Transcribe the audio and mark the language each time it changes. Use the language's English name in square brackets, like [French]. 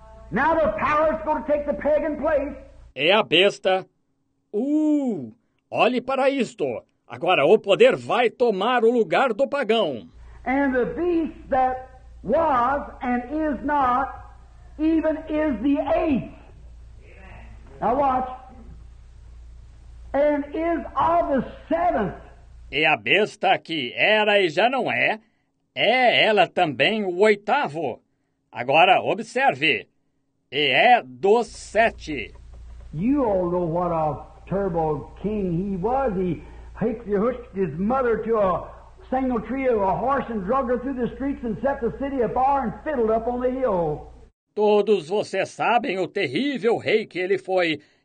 [English] Now the power is going to take the pagan place. [Portuguese] É a besta. Olhe para isto. Agora o poder vai tomar o lugar do pagão. [English] And the beast that was and is not even is the eighth. Now watch. And is of the seventh. [Portuguese] E a besta que era e já não é, é ela também o oitavo. Agora, observe. E é dos sete. [English] You all know what a terrible king he was. He hooked his mother to a single tree of a horse and drug her through the streets and set the city afar and fiddled up on the hill. [Portuguese] Todos vocês sabem o terrível rei que ele foi.